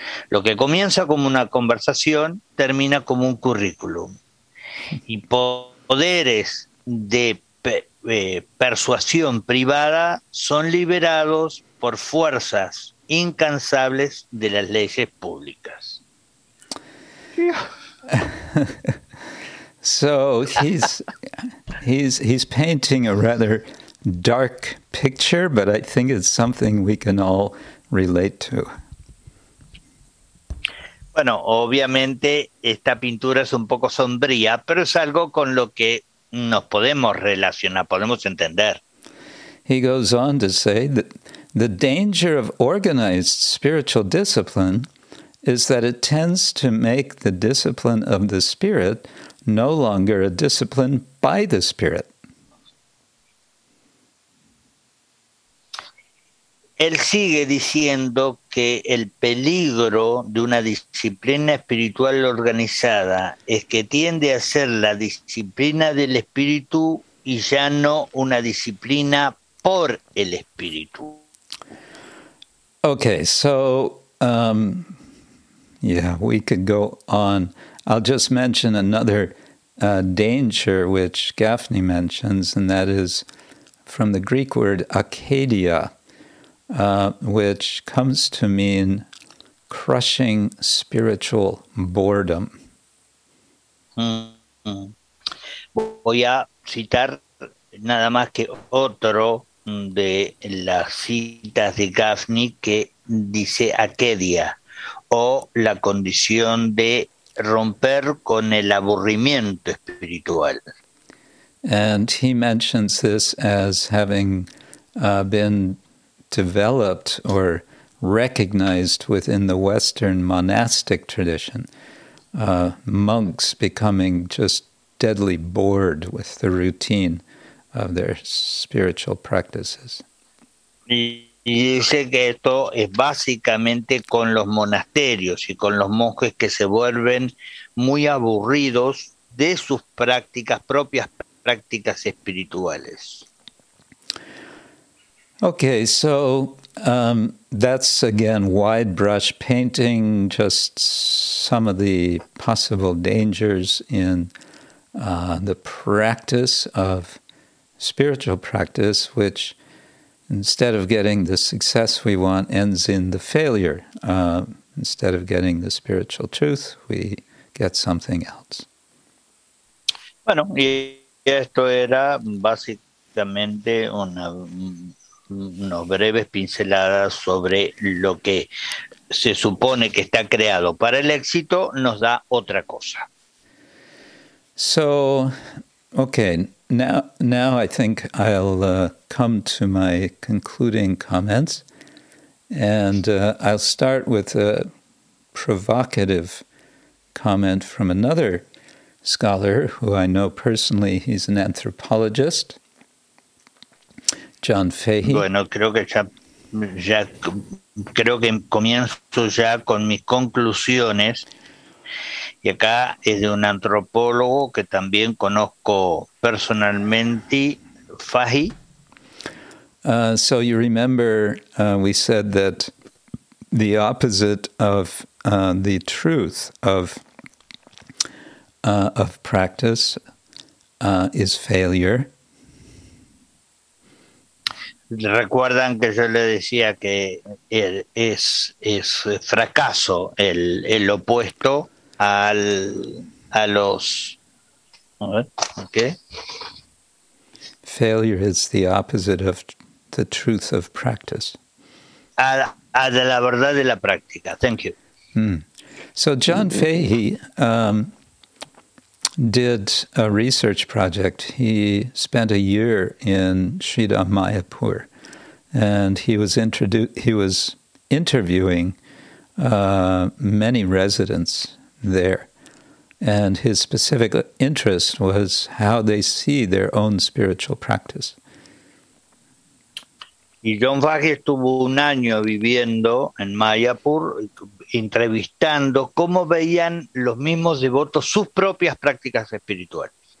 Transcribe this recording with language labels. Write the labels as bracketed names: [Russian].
[Spanish] Lo que comienza como una conversación termina como un currículum. Y poderes de persuasión privada son liberados por fuerzas incansables de las leyes públicas. [English] Yeah. So he's painting a rather dark picture, but I think it's something we can all relate to. [Spanish] Bueno, obviamente esta pintura es un poco sombría, pero es algo con lo que nos podemos relacionar, podemos entender. [English] He goes on to say that the danger of organized spiritual discipline is that it tends to make the discipline of the spirit no longer a discipline by the spirit. [Spanish] Él sigue diciendo que el peligro de una disciplina espiritual organizada es que tiende a ser la disciplina del espíritu y ya no una disciplina por el espíritu. [English] Okay, so we could go on. I'll just mention another danger which Gaffney mentions, and that is from the Greek word akedia, which comes to mean crushing spiritual boredom. [Spanish] Voy a citar nada más que otro de las citas de Gaffney que dice akedia, o la condición de romper con el aburrimiento espiritual. [English] And he mentions this as having been developed or recognized within the Western monastic tradition, monks becoming just deadly bored with the routine of their spiritual practices. [Spanish] Y dice que esto es básicamente con los monasterios y con los monjes que se vuelven muy aburridos de sus prácticas, propias prácticas espirituales. [English] Okay, so that's again wide brush painting, just some of the possible dangers in the practice of spiritual practice, which instead of getting the success we want, ends in the failure. Instead of getting the spiritual truth, we get something else. [Spanish] Bueno, y esto era básicamente unos breves pinceladas sobre lo que se supone que está creado para el éxito, nos da otra cosa. [English] So, okay. Now I think I'll come to my concluding comments, and I'll start with a provocative comment from another scholar who I know personally. He's an anthropologist, John Fahey. [Spanish] Bueno, creo que comienzo ya con mis conclusiones. Y acá es de un antropólogo que también conozco personalmente, Fahey. [English] So you remember we said that the opposite of the truth of practice is failure. [Spanish] Recuerdan que yo le decía que es fracaso el opuesto a los ¿qué? [English] Failure is the opposite of the truth of practice. [Spanish] A de la verdad de la práctica. [English] Thank you. Mm. So John Fahey did a research project. He spent a year in Shida Mayapur, and he was interviewing many residents there. And his specific interest was how they see their own spiritual practice. [Spanish] Y John Fahey estuvo un año viviendo en Mayapur, entrevistando cómo veían los mismos devotos sus propias prácticas espirituales.